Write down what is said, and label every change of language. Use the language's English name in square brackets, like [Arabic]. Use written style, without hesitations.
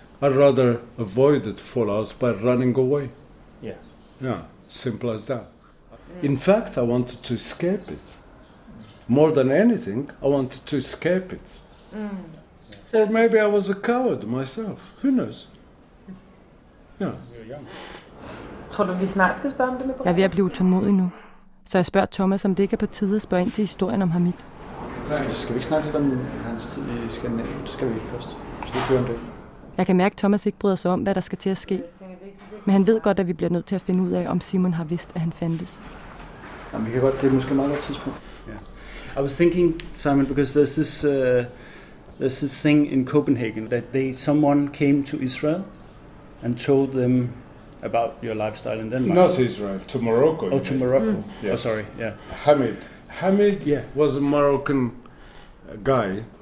[English] I'd rather avoid the fallouts by running away. Yeah. Yeah, simple as that. In fact, I wanted to escape it. More than anything, I wanted to escape it. So or maybe I was a coward myself. Who knows? Yeah. [Danish] Tror du, vi snart skal spørge om det med Brian? Jeg er ved at blive utålmodig nu. Så jeg spørger Thomas, om det ikke er på tide at spørge ind til historien om Hamid. Skal vi ikke snakke lidt om hans tid i Skandinavien? Det skal vi ikke først. Skal vi gøre det? Jeg kan mærke, at Thomas ikke bryder sig om, hvad der skal til at ske. Men han ved godt, at vi bliver nødt til at finde ud af, om Simon har vidst, at han fandtes. Jamen, vi kan godt, det er måske meget godt tidspunkt. [English] Yeah. I was thinking, Simon, because there's this thing in Copenhagen, that someone came to Israel and told them about your lifestyle in Denmark. Not Israel, to Morocco. Oh, to Morocco. Yes. Oh, sorry, yeah. Hamid was a Moroccan guy.